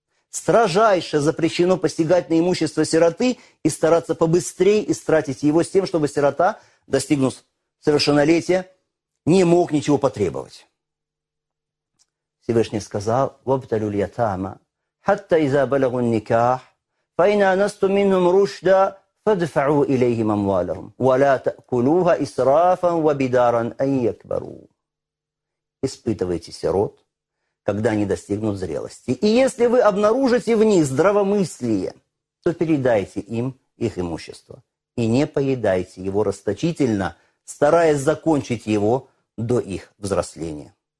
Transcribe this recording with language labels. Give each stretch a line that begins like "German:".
Russian: Строжайше запрещено посягать на имущество сироты и стараться побыстрее истратить его с тем, чтобы сирота, достигнув совершеннолетия, не мог ничего потребовать. Всевышний сказал:
Arabic: «Вабталю льятама». حتى إذا بلغوا النكاح فإن أنستم منهم رشدا فادفعوا إليهم أموالهم ولا تأكلوها إسرافا وبدارا أن يكبروا.
Russian: Испытывайте сирот, когда они достигнут зрелости. И если вы обнаружите в них здравомыслие, то передайте им их имущество. И не поедайте его расточительно, стараясь закончить его до их взросления.